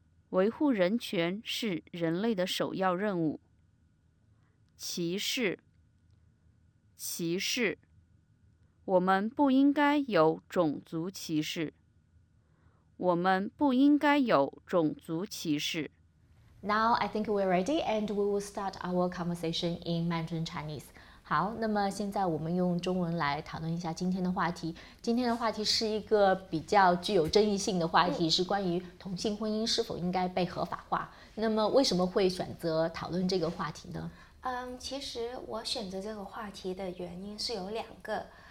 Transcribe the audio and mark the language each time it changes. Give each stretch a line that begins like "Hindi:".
Chinese: 维护人权是人类的首要任务。歧视，歧视，我们不应该有种族歧视。我们不应该有种族歧视。
English: Now I think we're ready, and we will start our conversation in Mandarin Chinese.
Chinese: 好，那么现在我们用中文来讨论一下今天的话题。今天的话题是一个比较具有争议性的话题，是关于同性婚姻是否应该被合法化。那么为什么会选择讨论这个话题呢？其实我选择这个话题的原因是有两个。